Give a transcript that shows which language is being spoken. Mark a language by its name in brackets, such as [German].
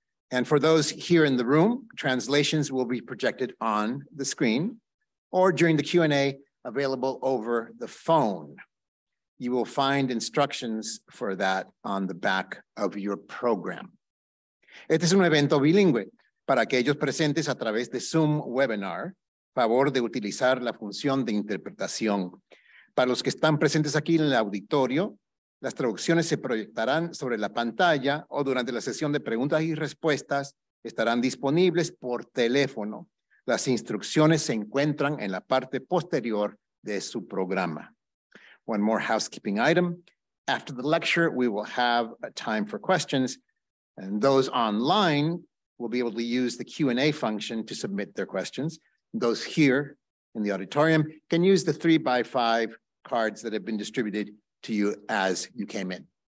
[English] And for those here in the room, translations will be projected on the screen or during the Q&A available over the phone. You will find instructions for that on the back of your program. [Spanish] Este es un evento bilingüe. Para aquellos presentes a través de Zoom webinar, favor de utilizar la función de interpretación. Para los que están presentes aquí en el auditorio, las traducciones se proyectarán sobre la pantalla o durante la sesión de preguntas y respuestas estarán disponibles por teléfono. Las instrucciones se encuentran en la parte posterior de su programa. [English] One more housekeeping item. After the lecture, we will have a time for questions, and those online will be able to use the Q&A function to submit their questions. Those here in the auditorium can use the 3x5 cards that have been distributed to you as you came in.